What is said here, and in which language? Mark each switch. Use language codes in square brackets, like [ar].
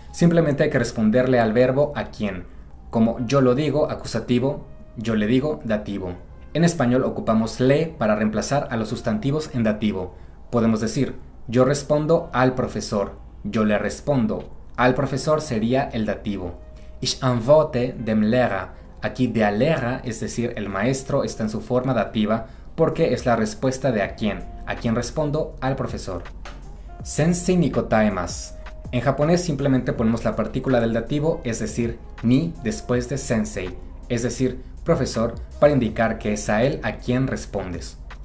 [es] Simplemente hay que responderle al verbo a quién. Como yo lo digo, acusativo, yo le digo, dativo. En español ocupamos le para reemplazar a los sustantivos en dativo. Podemos decir, yo respondo al profesor, yo le respondo. Al profesor sería el dativo. [de] Ich antworte dem Lehrer. [es] Aquí der Lehrer, es decir, el maestro, está en su forma dativa porque es la respuesta de a quién respondo, al profesor. [ja] Sensei nikotaemas. [es] En japonés simplemente ponemos la partícula del dativo, es decir, ni después de sensei, es decir, profesor, para indicar que es a él a quien respondes.